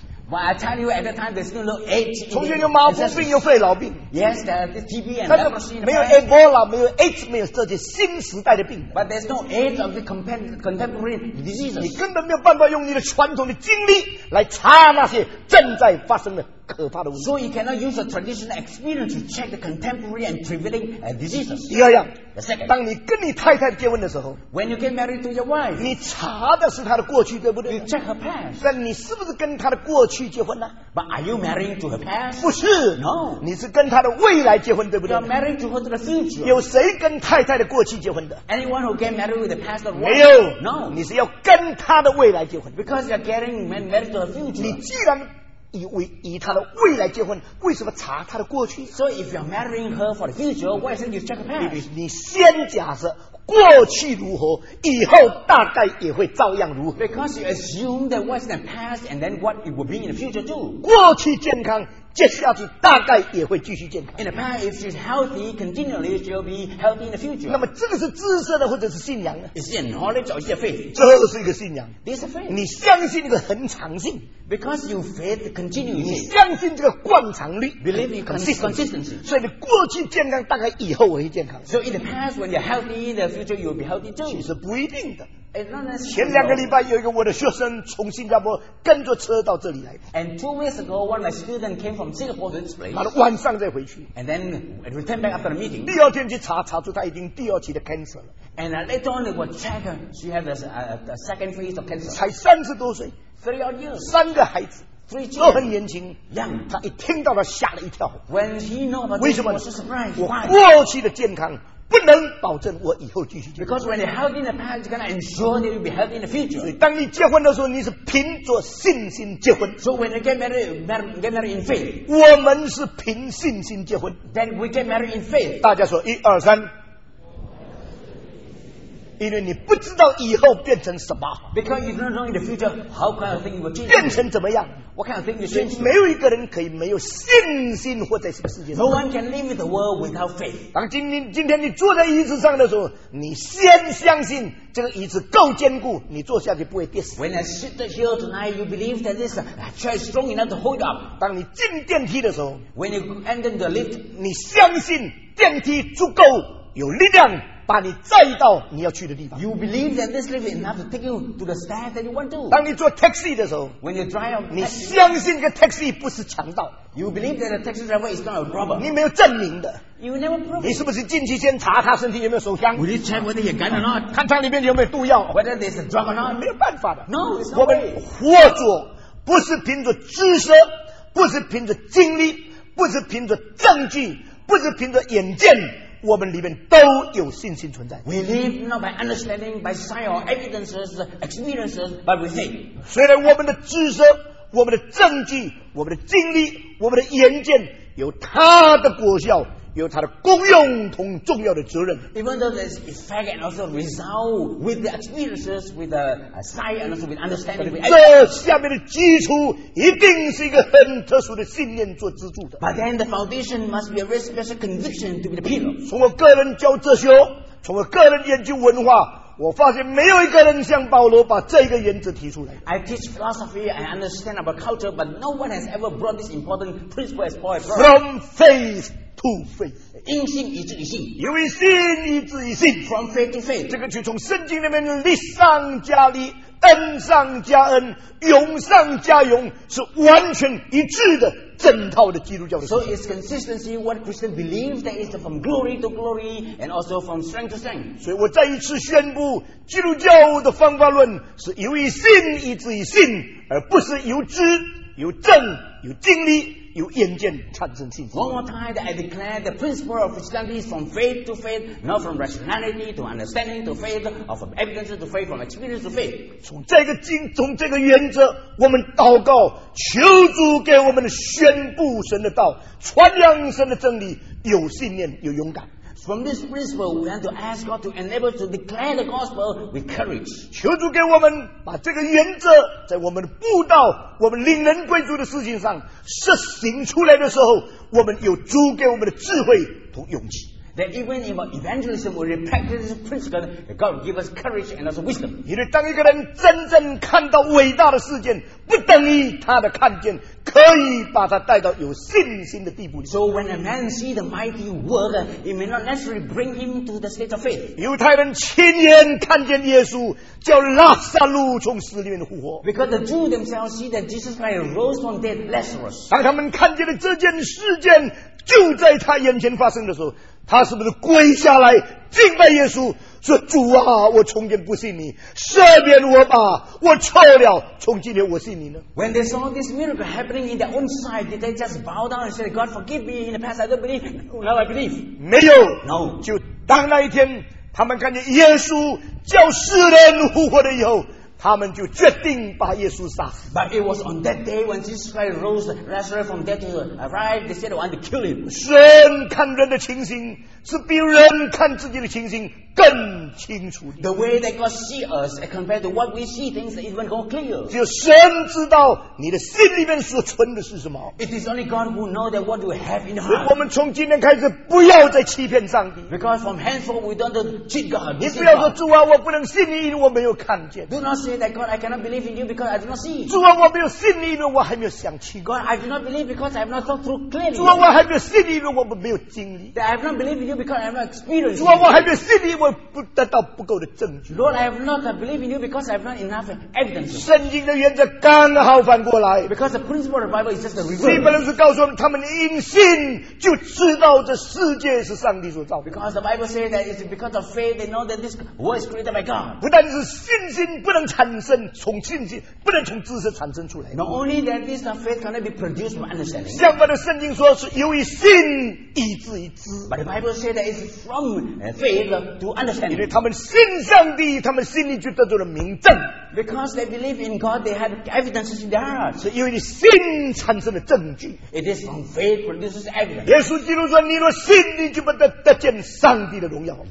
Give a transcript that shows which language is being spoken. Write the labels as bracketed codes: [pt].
[en] But I tell you at that time there's still no AIDS. [zh] 从前有麻风病，有肺痨病。 [en] Yes, there is TB and leprosy. [zh] 没有 Ebola, 没有 AIDS, 没有这些新时代的病。 [en] But there's no AIDS of the contemporary diseases. [zh] 你根本没有办法用你的传统的经历来查那些正在发生的。可怕的问题 [en] So you cannot use a traditional experience to check the contemporary and prevailing diseases. [zh] 第二样 [en] The second, [zh] 当你跟你太太结婚的时候 [en] When you get married to your wife, [zh] 你查的是她的过去，对不对 [en] You check her past. [zh] 但你是不是跟她的过去结婚呢 [en] But are you married to her past? [zh] 不是 [en] No. [zh] 你是跟她的未来结婚，对不对 [en] You're married to her to the future. [zh] 有谁跟太太的过去结婚的 [en] Anyone who get married with the past or wife? [zh] 没有 [en] No. [zh] 你是要跟她的未来结婚 [en] Because you're getting married to her future. [zh] 你既然以他的未来结婚，为什么查他的过去 [en] ？So if you're marrying her for the future, why don't you check the past? [zh] 你先假设过去如何，以后大概也会照样如何。 [en] Because you assume that what's in the past and then what it will be in the future too. [zh] 过去健康，接下去大概也会继续健康。 [en] In the past, if she's healthy, continually she'll be healthy in the future. [zh] 那么这个是知识的或者是信仰的 [en] ？Is it knowledge or is it faith? [zh] 这是一个信仰。 [en] This is faith. [zh] 你相信一个恒常性。 [en] Because you faith continuity, [zh] 你相信这个惯常率 [en] ，believe in consistency. [zh] 所以你过去健康，大概以后会健康。 [en] So in the past, when you're healthy, in the future you'll be healthy too. [zh] 其实不一定的。 [en] Not [zh] 前两个礼拜有一个我的学生从新加坡跟着车到这里来。 [en] And 2 weeks ago, one of my students came from Singapore to this place. [zh] 然后晚上再回去。 [en] And then return back after the meeting. [zh] 第二天去查，查出他已经第二期的 cancer 了。 [en] And later on, they were checked. She had a second phase of cancer. [zh] 才30多岁。 [en] 30 odd years. [zh] 三个孩子。都很年轻。他一听到他吓了一跳。 [en] When he know about [zh] 为什么 [en] was surprised, [zh] 我过去的健康不能保证我以后继续健康。 [en] Because when you're healthy in the past, you're going to ensure that you'll be healthy in the future. [zh] 所以当你结婚的时候，你是凭着信心结婚。 [en] So when you get married in faith. [zh] 我们是凭信心结婚。 [en] Then we get married in faith. [zh] 大家说一二三。因为你不知道以后变成什么。 [en] Because you don't know in the future how kind of thing you will change. [zh] 变成怎么样？ [en] What kind of thing you change? [zh] 没有一个人可以没有信心活在这个世界上。 [en] No one can live in the world without faith. [zh] 当今天你坐在椅子上的时候，你先相信这个椅子够坚固，你坐下去不会跌死。 [en] When I sit here tonight, you believe that this chair is strong enough to hold up. [zh] 当你进电梯的时候 [en] ，When you enter the lift, [zh] 你相信电梯足够有力量。把你载到你要去的地方。 [en] You believe that this lift is enough to take you to the stair that you want to. [zh] 当你坐 taxi 的时候 [en] ，When you drive, [zh] 你相信这 taxi 不是强盗。 [en] You believe that the taxi driver is not a robber. [zh] 你没有证明的。 [en] You never prove. [zh] 你是不是进去先查他身体有没有手枪 [en] ？Will you check whether he gun or not? [zh] 看他里面有没有毒药 [en] ？Whether there's a drug or not? [zh] 没有办法的。 [en] No, it's not. [zh] 我们活着不是凭着知识，不是凭着经历，不是凭着证据，不是凭着眼见。我们里面都有信心存在。 [en] We live not by understanding, by sight or evidences, experiences, but with faith. [zh] 虽然我们的知识、我们的证据、我们的经历、我们的眼见有它的果效，有它的功用同重要的责任。 [en] Even though there's effect and also result with the experiences, with the sight and also with understanding. [zh] 这下面的基础一定是一个很特殊的信念做支柱的。 [en] But then the foundation must be a very special conviction to be the pillar. [zh] 从我个人教哲学，从我个人研究文化，我发现没有一个人像保罗把这个原则提出来。 [en] I teach philosophy, I understand about culture, but no one has ever brought this important principle as Paul. From faith. To faith. [zh] 因信以至于信，因为信以至于信。 [en] From faith to faith. [zh] 这个就从圣经里面利上加利，恩上加恩，勇上加勇，是完全一致的整套的基督教的。 [en] So it's consistency. What Christian believes that is from glory to glory and also from strength to strength. [zh] 所以我再一次宣布，基督教的方法论是由于信以至于信，而不是由知、由证、由经历。由眼见产生信心。 [en] One more time, I declare the principle of Christianity is from faith to faith, not from rationality to understanding to faith, or from evidence to faith, from experience to faith. [zh] 从这个原则，我们祷告，求主给我们宣布神的道，传扬神的真理，有信念，有勇敢。 [en] From this principle, we want to ask God to enable us to declare the gospel with courage. [zh] 求主给我们把这个原则在我们的布道、我们领人归主的事情上实行出来的时候，我们有主给我们的智慧和勇气。 [en] That even in our evangelism, we practice this principle that God will give us courage and also wisdom. [zh] 因为当一个人真正看到伟大的事件，不等于他的看见可以把他带到有信心的地步。 [en] So when a man sees the mighty work, it may not necessarily bring him to the state of faith. [zh] 犹太人亲眼看见耶稣叫拉撒路从死里面复活。 [en] Because the Jews themselves see that Jesus Christ rose from dead Lazarus. [zh] 当他们看见了这件事件就在他眼前发生的时候，他是不是跪下来敬拜耶稣，说主啊，我从前不信你，赦免我吧，我错了，从今天我信你呢？ [en] When they saw this miracle happening in their own sight, did they just bow down and say, God forgive me, in the past I don't believe, now I believe? [zh] 没有。 [en] No. [zh] 就当那一天他们看见耶稣叫世人复活了以后，他们就决定把耶稣杀死。 [en] But it was on that day when Jesus Christ rose, Lazarus from dead to arrive, they said, I want to kill him. [zh] 神看人的情形是比人看自己的情形更清楚的。 [en] The way that God sees us compared to what we see things is even more clear. [zh] 只有神知道你的心里面所存的是什么。 [en] It is only God who knows that what you have in your heart. [zh] 我们从今天开始不要再欺骗上帝。 [en] Because from henceforth we don't cheat God. [zh] 你不要说主啊，我不能信你，因为我没有看见。 [en] Do not say that God, I cannot believe in you because I do not see. [zh] 主啊，我没有信你，因为我还没有想清。 [en] God, I do not believe because I have not thought through clearly. [zh] 主啊，我还没有信你，因为我没有经历。 [en] That I have not believed in you. Because I have not experienced. [zh] 主啊，我还没信你，我不得到不够的证据。 [en] Lord, I have not believed in you because I have not enough evidence. [zh] 圣经的原则刚好反过来。 [en] Because the principle of the Bible is just the reverse. [zh] 希伯来书告诉我们，他们因信就知道这世界是上帝所造。 [en] Because the Bible says that it's because of faith they know that this world is created by God. [zh] 不但是信心不能产。产生从信心，不能从知识产生出来。 [en] Not only that, this faith cannot be produced from understanding. [zh] 相反的，圣经说是由于信以至于知。 [en] But the Bible says that it's from faith to understanding. [zh] 因为他们信上帝，他们心里就得到了明证。 [en] Because they believe in God, they have evidence in their heart. [zh] 是由于信产生的证据。 [en] It is from faith produces evidence. [zh] 耶稣基督说：“你若信，你就不得得见上帝的荣耀。”